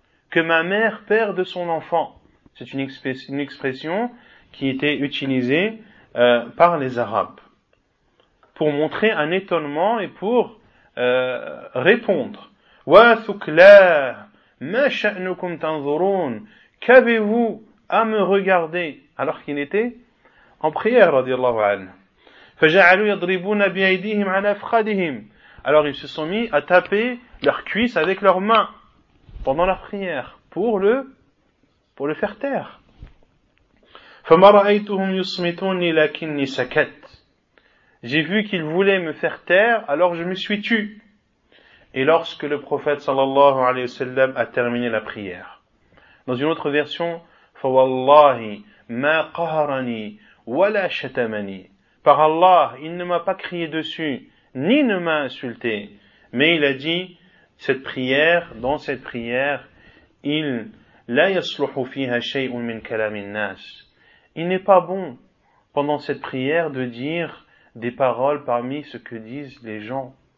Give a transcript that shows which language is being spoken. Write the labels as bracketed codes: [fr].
[fr] Que ma mère perde son enfant. C'est une expression qui était utilisée par les Arabes pour montrer un étonnement et pour répondre. [ar] Wa thukla, ma sha'nukum tanzurun, [fr] qu'avez-vous à me regarder? Alors qu'il était en prière, [ar] radiallahu anhu. فجعلوا يضربون بأيديهم على أفخادهم. [fr] Alors ils se sont mis à taper leurs cuisses avec leurs mains pendant la prière pour le faire taire. [ar] فمرأيتهم يصمتوني لكني سكت. [fr] J'ai vu qu'ils voulaient me faire taire, alors je me suis tu. Et lorsque le prophète [ar] sallallahu alayhi wa sallam [fr] a terminé la prière. Dans une autre version, [ar] فَوَاللَّهِ مَا قَهَرَنِي وَلَا شَتَمَنِي. [fr] Par Allah, il ne m'a pas crié dessus, ni ne m'a insulté. Mais il a dit, cette prière, dans cette prière, il [ar] لَا يَصْلُحُ فِيهَا شَيْءٌ مِنْ كَلَامِ النَّاسِ. [fr] Il n'est pas bon, pendant cette prière, de dire des paroles parmi ce que disent les gens.